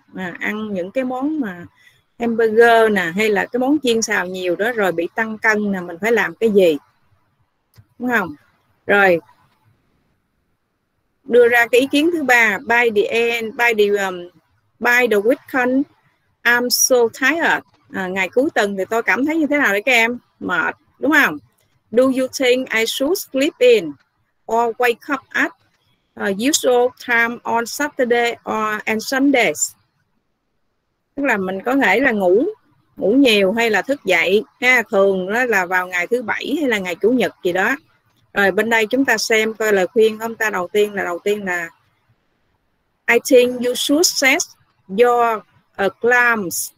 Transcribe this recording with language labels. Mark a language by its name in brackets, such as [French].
[Vietnamese] À, ăn những cái món mà hamburger nè, hay là cái món chiên xào nhiều đó, rồi bị tăng cân nè, mình phải làm cái gì? Đúng không? Rồi, đưa ra cái ý kiến thứ ba, [English] by the weekend, I'm so tired. [Vietnamese] À, ngày cuối tuần thì tôi cảm thấy như thế nào đấy các em? Mệt, đúng không? [English] Do you think I should sleep in or wake up at usual time on Saturday or and Sundays? [Vietnamese] Tức là mình có thể là ngủ nhiều hay là thức dậy ha, thường đó là vào ngày thứ bảy hay là ngày chủ nhật gì đó. Rồi bên đây chúng ta xem coi lời khuyên ông ta đầu tiên là [English] I think you should set your alarms.